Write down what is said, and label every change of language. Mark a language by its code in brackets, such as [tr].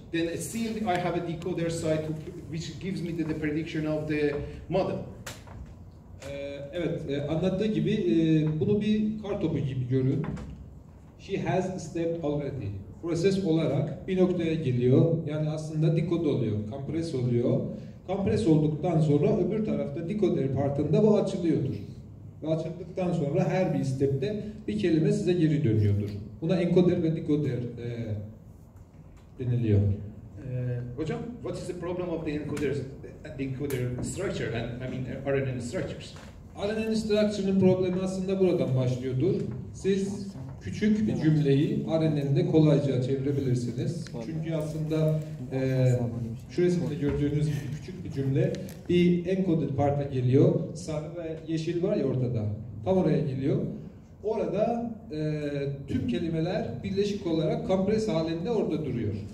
[en] Then still I have a decoder side which gives me the prediction of the model. [tr] Evet, anlattığı gibi bunu bir kar topu gibi görün. [en] She has slept already. [tr] Proses olarak bir noktaya geliyor. Yani aslında decode oluyor, compress oluyor. Compress olduktan sonra öbür tarafta decoder partında bu açılıyordur. Ve açıldıktan sonra her bir step'te bir kelime size geri dönüyordur. Buna encoder ve decoder deniliyor. [en] Hocam, what is the problem of the encoders, the encoder structure and I mean RNN structures? [tr] RNN structure'ın problemi aslında buradan başlıyordur. Siz küçük bir cümleyi RNN'de kolayca çevirebilirsiniz. Çünkü aslında şurasında gördüğünüz küçük bir cümle bir encoded part'a geliyor. Sarı ve yeşil var ya ortada. Tam oraya geliyor. Orada tüm kelimeler birleşik olarak kompres halinde orada duruyor.